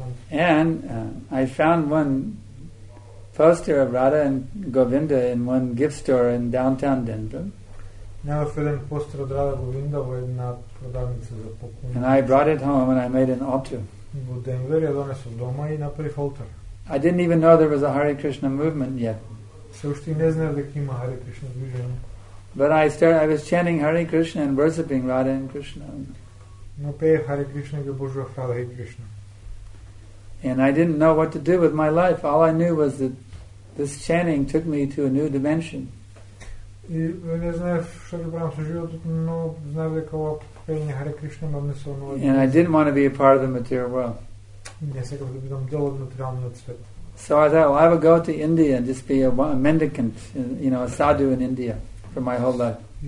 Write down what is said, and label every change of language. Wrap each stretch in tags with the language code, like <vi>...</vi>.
<en>And I found one poster of Radha and Govinda in one gift store in downtown Denver. And I brought it home and I made an altar.</en> <mk>Во Денвер ја донесов дома и направив алтар.</mk> <en>I didn't even know there was a Hare Krishna movement yet.</en> <mk>Се уште не знаев дека има Hare Krishna движење.</mk> <en>But I was chanting Hare Krishna and worshiping Radha and Krishna.</en> <mk>Но пеев Hare Krishna и божував Radha и Krishna.</mk> <en>And I didn't know what to do with my life. All I knew was that this chanting took me to a new dimension.</en> <mk>И не знаев што да правам со животот, но знаев дека ова</mk> <en>And I didn't want to be a part of the material world. So I thought, well, I would go to India and just be a mendicant, you know, a sadhu in India for my whole life.</en>